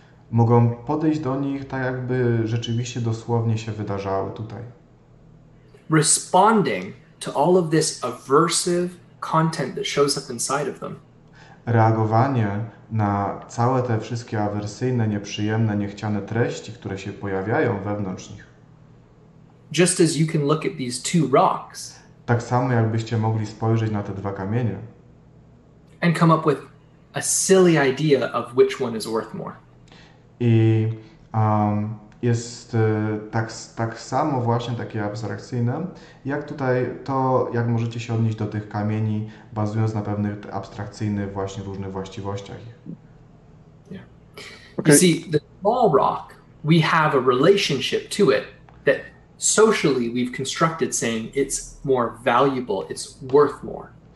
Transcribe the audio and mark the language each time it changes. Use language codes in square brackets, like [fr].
[pl] Mogą podejść do nich tak, jakby rzeczywiście dosłownie się wydarzały tutaj. [en] Responding to all of this aversive content that shows up inside of them. [pl] Reagowanie na całe te wszystkie awersyjne, nieprzyjemne, niechciane treści, które się pojawiają wewnątrz nich. [en] Just as you can look at these two rocks. [pl] Tak samo jakbyście mogli spojrzeć na te dwa kamienie. [en] And come up with a silly idea of which one is worth more. [pl] I jest tak samo właśnie takie abstrakcyjne, jak tutaj to, jak możecie się odnieść do tych kamieni, bazując na pewnych abstrakcyjnych właśnie różnych właściwościach. [en] Yeah. Okay. You see, the small rock, we have a relationship to it that socially we've constructed saying it's more valuable, it's worth more.